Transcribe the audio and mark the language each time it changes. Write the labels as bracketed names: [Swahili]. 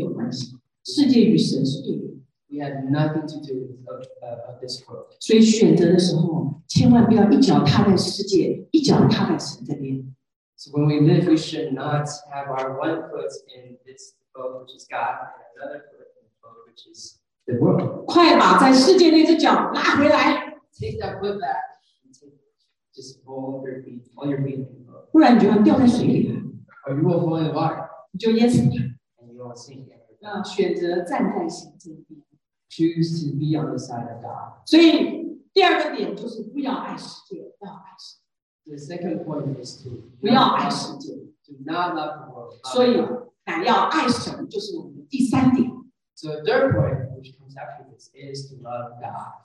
[Chinese] 感谢主，所以我们与世界没有关系，世界与神是对的。 [English] We have nothing to do with of this world. [Chinese] 所以选择的时候，千万不要一脚踏在世界，一脚踏在神这边。 [English] So when we live, we should not have our one foot in this boat, which is God, and another foot in the boat, which is the world. [Chinese] 快把在世界那只脚拉回来。 [English] Take that foot back. And take just hold your feet, all your feet in the boat. [Chinese] 不然你就要掉在水里了。 [English] Or you will fall in the water. [Chinese] 你就淹死了。 [English] And you will sink. [Chinese] 让选择站在神这边。 [English] Choose to be on the side of God. [Chinese] 所以第二个点就是不要爱世界，不要爱神。 [English] The second point is to [Chinese] 不要爱世界, [English] do not love the world. [Chinese] 所以乃要爱神就是我们的第三点. [English] So the third point, which comes after this, is to love God.